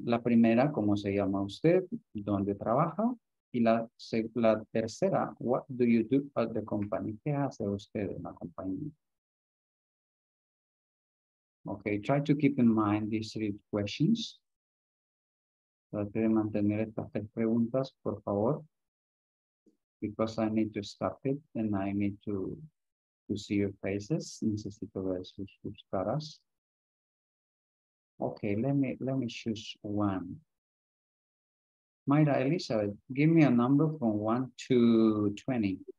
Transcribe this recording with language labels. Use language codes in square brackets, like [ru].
[es] La primera, ¿cómo se llama usted? ¿Dónde trabaja? Y la tercera, [en] what do you do at the company? [es] ¿Qué hace usted en la compañía? [en] Okay, try to keep in mind these three questions. [es] Trate de mantener estas tres preguntas, por favor. [en] Because I need to stop it and I need to see your faces. [es] Necesito ver sus caras. [en] Okay, let me choose one. Mayra, Elizabeth, give me a number from 1 to 20.